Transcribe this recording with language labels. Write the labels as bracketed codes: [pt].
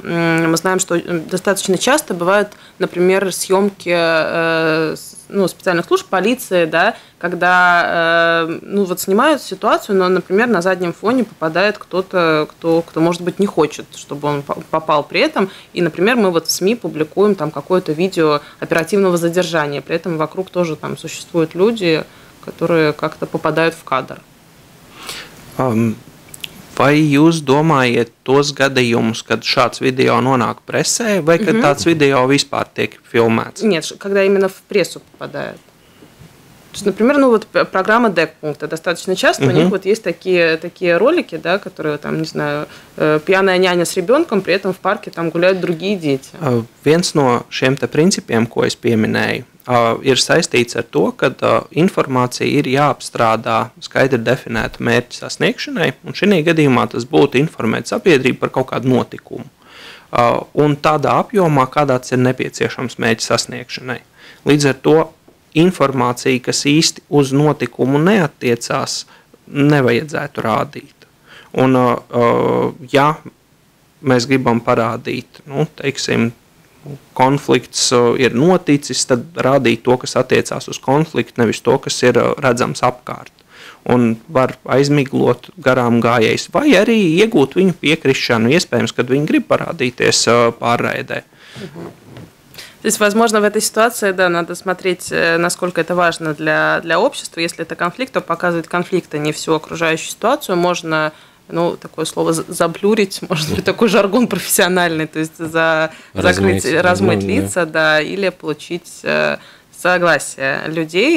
[ru] Мы знаем, что достаточно часто бывают, например, съемки специальных служб, полиции, да, когда снимают ситуацию, но, например, на заднем фоне попадает кто-то, кто может быть, не хочет, чтобы он попал при этом. И, например, мы вот в СМИ публикуем там какое-то видео оперативного задержания. При этом вокруг тоже там существуют люди, которые как-то попадают в кадр. [lv] Vai jūs domājat tos gadījumus, kad šāds video nonāk presē, vai kad tāds video vispār tiek filmēts? [ru] Нет, когда именно в прессу попадает. То есть, например, ну вот программа «Дэкпункт» достаточно часто, у них вот есть такие ролики, да, которые там, не знаю, пьяная няня с ребенком, при этом в парке там гуляют другие дети. [lv] Viens no šiem te principiem, ko es pieminēju, ir saistīts ar to, ka informācija ir jāapstrādā skaidri definētu mērķu sasniegšanai, un šī gadījumā tas būtu informēt sabiedrību par kaut kādu notikumu. Un tādā apjomā, kādā tas ir nepieciešams mērķu sasniegšanai. Līdz ar to informācija, kas īsti uz notikumu neattiecās, nevajadzētu rādīt. Un ja mēs gribam parādīt, nu, teiksim, konflikts ir noticis, tad rādīt to, kas attiecās uz konfliktu, nevis to, kas ir redzams apkārt. Un var aizmiglot garām gājējs vai arī iegūt viņu piekrišanu, iespējams, kad viņi grib parādīties pārraidē. [ru] То есть, возможно, в этой ситуации, да, надо смотреть, насколько это важно для общества. Если это конфликт, то показывать конфликт, а не всю окружающую ситуацию. Можно, ну, такое слово заблюрить, может быть, такой жаргон профессиональный, то есть размыть лица, да, или получить согласие людей.